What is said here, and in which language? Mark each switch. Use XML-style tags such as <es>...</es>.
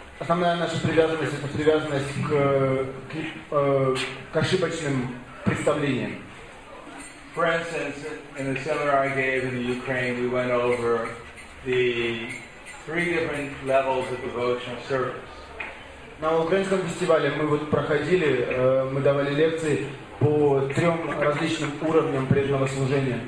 <ru>Основная наша привязанность — это привязанность к ошибочным представлениям.</ru> <en>For instance, in the seminar I gave in the Ukraine, we went over the three different levels of devotional service.</en> <ru>На украинском фестивале мы вот проходили, мы давали лекции по трем различным уровням преданного служения.</ru>